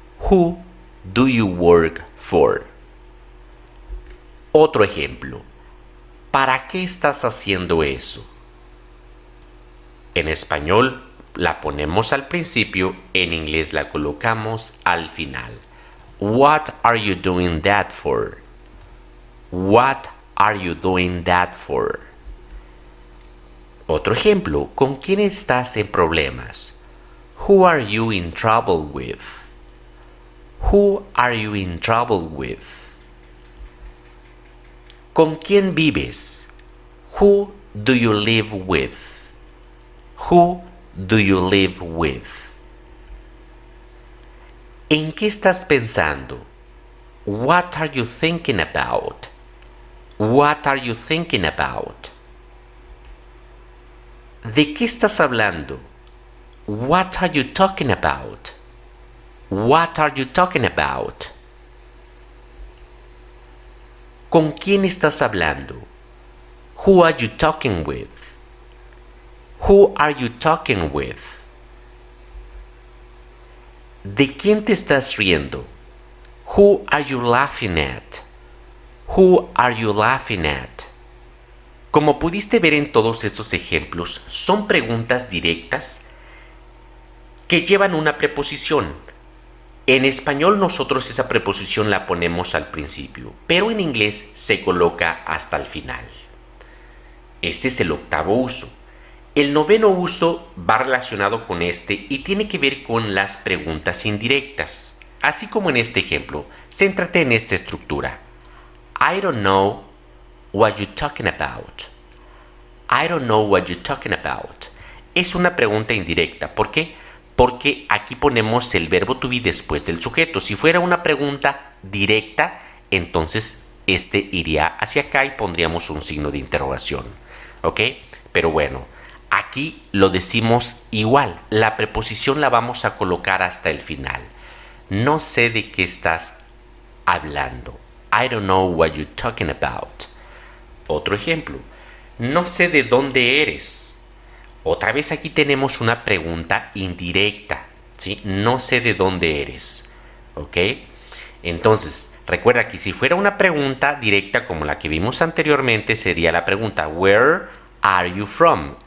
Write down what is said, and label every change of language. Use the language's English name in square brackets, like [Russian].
[English] Who do you work for? [Spanish] Otro ejemplo. ¿Para qué estás haciendo eso? En español la ponemos al principio, en inglés la colocamos al final. [English] What are you doing that for? What are you doing that for? [Spanish] Otro ejemplo, ¿con quién estás en problemas? [English] Who are you in trouble with? Who are you in trouble with? [Spanish] ¿Con quién vives? [English] Who do you live with? Who do you live with? [Spanish] ¿En qué estás pensando? [English] What are you thinking about? What are you thinking about? [Spanish] ¿De qué estás hablando? [English] What are you talking about? What are you talking about? [Spanish] ¿Con quién estás hablando? [English] Who are you talking with? Who are you talking with? [Spanish] ¿De quién te estás riendo? [English] Who are you laughing at? Who are you laughing at? [Spanish] Como pudiste ver en todos estos ejemplos, son preguntas directas que llevan una preposición. En español nosotros esa preposición la ponemos al principio, pero en inglés se coloca hasta el final. Este es el octavo uso. El noveno uso va relacionado con este y tiene que ver con las preguntas indirectas. Así como en este ejemplo, céntrate en esta estructura. [English] I don't know what you're talking about. I don't know what you're talking about. [Spanish] Es una pregunta indirecta. ¿Por qué? Porque aquí ponemos el verbo to be después del sujeto. Si fuera una pregunta directa, entonces este iría hacia acá y pondríamos un signo de interrogación. ¿Ok? Pero bueno, aquí lo decimos igual. La preposición la vamos a colocar hasta el final. No sé de qué estás hablando. [English] I don't know what you're talking about. [Spanish] Otro ejemplo. No sé de dónde eres. Otra vez aquí tenemos una pregunta indirecta, ¿sí? No sé de dónde eres, ¿ok? Entonces, recuerda que si fuera una pregunta directa como la que vimos anteriormente, sería la pregunta, [English] where are you from?